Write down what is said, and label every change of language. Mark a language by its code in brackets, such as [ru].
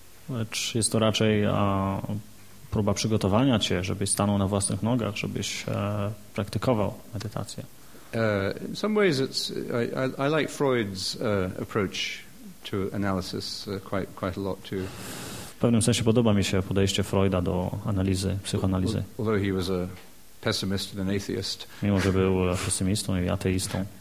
[pl] Lecz jest to raczej próba przygotowania cię, żebyś stanął na własnych nogach, żebyś praktykował medytację. [en] In some ways it's I like Freud's approach to analysis quite a lot too. [pl] W pewnym sensie podoba mi się podejście Freuda do analizy, psychoanalizy. [en] Although he was a pessimist and an atheist. [pl] Mimo że był pesymistą i ateistą.